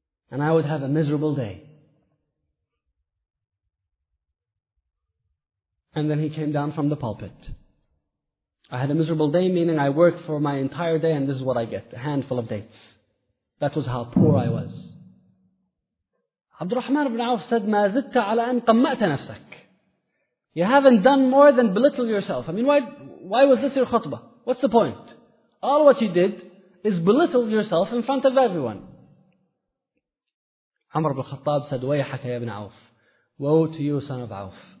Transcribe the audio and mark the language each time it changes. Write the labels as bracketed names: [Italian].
[English] And I would have a miserable day. And then he came down from the pulpit. I had a miserable day, meaning I worked for my entire day and this is what I get, a handful of dates. That was how poor I was. Abdurrahman ibn Auf said, [Arabic] مَا زِدْتَ عَلَىٰ أَنْ قَمَّأْتَ نَفْسَكَ. [English] You haven't done more than belittle yourself. I mean, why was this your khutbah? What's the point? All what you did is belittle yourself in front of everyone. Umar ibn Khattab said, [Arabic] وَيَحَكَ يَا ابْنَ عَوْف. [English] Woe to you, son of Auf.